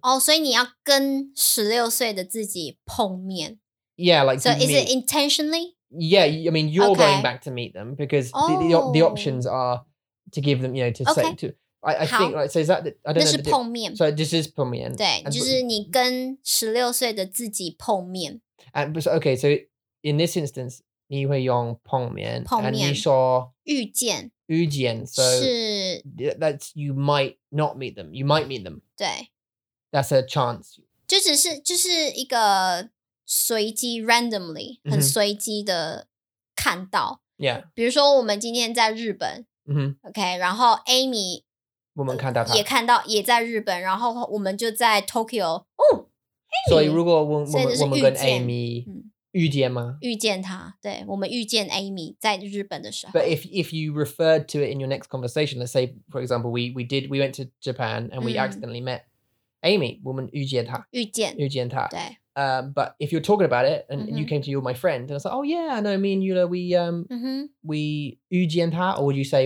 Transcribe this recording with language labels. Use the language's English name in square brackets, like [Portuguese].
[Chinese] 哦，所以你要跟16岁的自己碰面。 [English] Yeah, like so. Is it intentionally? Yeah, I mean, you're、 okay. going back to meet them because、 oh. the options are to give them, you know, to、 okay. say to. I think right. So is that? I don't know. [Chinese] 那是碰面。 [English] So this is 碰面。 [Chinese] 对，就是你跟16岁的自己碰面。 [English] And okay, so in this instance, [Chinese] 你会用碰面 [English] and [Chinese] 你说遇见 [English] so [Chinese] 是 [English] that's you might not meet them. You might meet them. [Chinese] 对 [English] that's a chance. [Chinese] 就是一个。随机 [English] randomly [Chinese] 很随机的看到、 [English] mm-hmm. yeah. [Chinese] 比如说我们今天在日本、 [English] mm-hmm. [Chinese] okay, 然后 Amy 我们看到他也看到也在日本然后我们就在 Tokyo、哦 hey! 所以如果我们跟 Amy 遇见吗遇见他对我们遇见 Amy 在日本的时候 [English] But if you referred to it in your next conversation let's say for example we went to Japan and we accidentally met Amy [Chinese] 我们遇见他对 [English] But if you're talking about it, and you came to you with my friend, and I was like, oh yeah, no, me and Yula, we [Chinese] 遇见他, [English] or would you say